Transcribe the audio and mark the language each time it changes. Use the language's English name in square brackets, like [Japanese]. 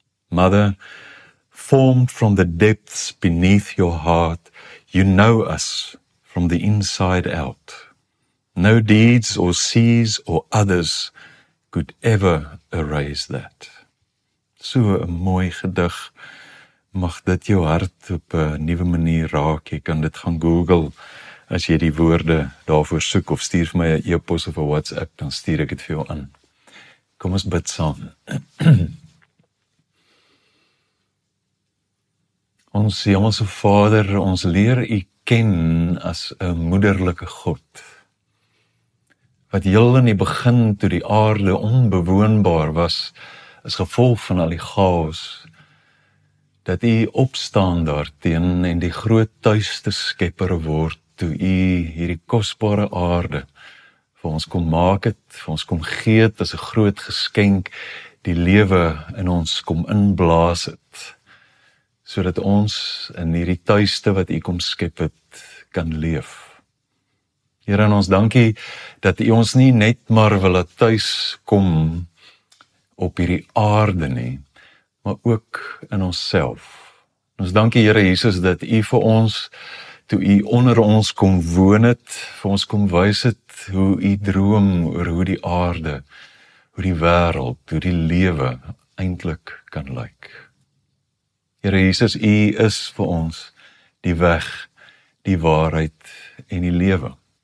[English] Mother, formed from the depths beneath your heart, you know us from the inside out. No deeds or seas or others could ever erase that. [Afrikaans] So 'n mooi gedig. Mag dit jou hart op 'n nuwe manier raak. Jy kan dit gaan Google as jy die woorde daarvoor soek, of stuur vir my 'n e-pos of 'n WhatsApp, dan stuur ek dit vir jou aan. Kom ons bid saam. Ons Hemelse Vader, ons leer U ken as 'n moederlike God, wat heel in die begin, toe die aarde onbewoonbaar was, as gevolg van al die chaos, dat U opstaan daarteen en die groot tuiste skepper word, toe U hierdie kosbare aarde vir ons kom maak het, vir ons kom gee het as 'n groot geskenk, die lewe in ons kom inblaas het, sodat ons in hierdie tuiste wat U kom skep het, kan leef. Here, ons dankie dat U ons nie net maar wil laat thuis kom op hierdie aarde nie, maar ook in onsself. Ons dankie, Here Jesus, dat U vir ons, toe U onder ons kom woon het, vir ons kom wys het hoe U droom oor hoe die aarde, hoe die wêreld, hoe die lewe eintlik kan lyk. Here Jesus, U is vir ons die weg, die waarheid en die lewe.